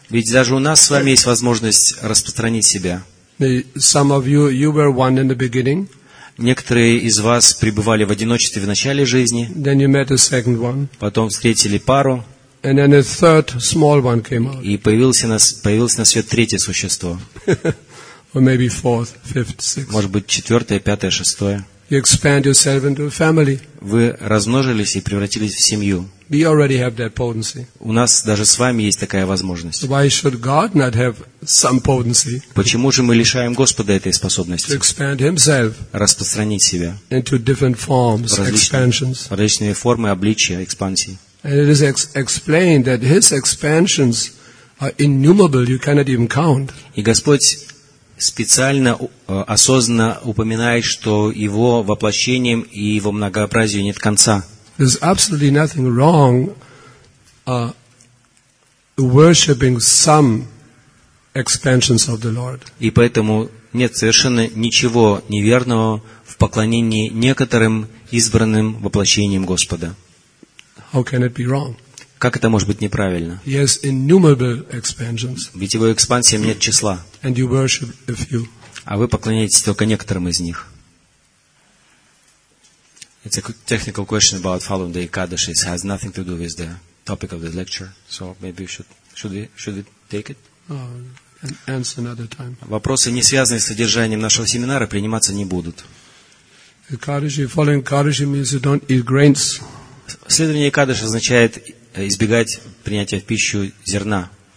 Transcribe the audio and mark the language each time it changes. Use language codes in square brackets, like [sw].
[ru] Ведь даже у нас с вами есть возможность распространить себя. [en] Some of you, you were one in the beginning. [ru] Некоторые из вас пребывали в одиночестве в начале жизни. [en] Then you met a second one. [ru] Потом встретили пару. [en] And then a third small one came out. [ru] И появилось на свет третье существо. [en] Or maybe fourth, fifth, sixth. [ru] Может быть, четвертое, пятое, шестое. [en] You expand yourself into a family. [ru] Вы размножились и превратились в семью. [en] We already have that potency. [ru] У нас даже с вами есть такая возможность. [en] Why should God not have some potency? [ru] Почему же мы лишаем Господа этой способности? [en] To expand Himself. [ru] Распространить себя. [en] Into different forms, expansions. [ru] Различные формы, обличия, экспансии. [en] And it is explained that His expansions are innumerable. You cannot even count. [ru] И Господь специально, осознанно упоминает, что его воплощением и его многообразию нет конца. [en] There's absolutely nothing wrong worshiping some expansions of the Lord. [ru] И поэтому нет совершенно ничего неверного в поклонении некоторым избранным воплощениям Господа. [en] How can it be wrong? [ru] Как это может быть неправильно? [en] Yes, innumerable expansions. [ru] Ведь его экспансиям нет числа. [en] And you worship a few. [ru] А вы поклоняетесь только некоторым из них. [en] It's a technical question about following the Ekadash. It has nothing to do with the topic of the lecture. So maybe should we take it? And answer another time. [ru] Вопросы, не связанные с содержанием нашего семинара, приниматься не будут. [en] Ekadash, following Ekadash means you don't eat grains. [ru] Следование Ekadash означает избегать принятия в пищу зерна.